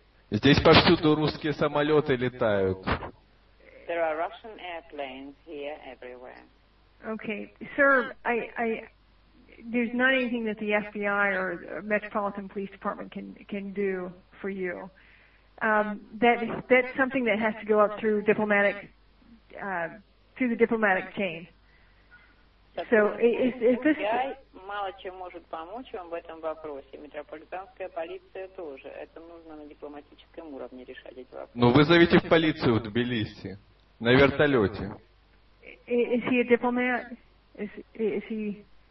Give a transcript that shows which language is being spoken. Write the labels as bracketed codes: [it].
[ru] Здесь повсюду русские самолеты летают. [en] There are Russian airplanes here everywhere. Okay, sir, I there's not anything that the FBI or Metropolitan Police Department can do for you. That's something that has to go up through diplomatic chain. So is this? [ru] Мало чем может помочь вам в этом вопросе. Метрополитанская полиция тоже. Это нужно на дипломатическом уровне решать эти вопросы. Ну, вызовите в полицию в Тбилиси. На вертолете. [en] Is he a diplomat? Is he...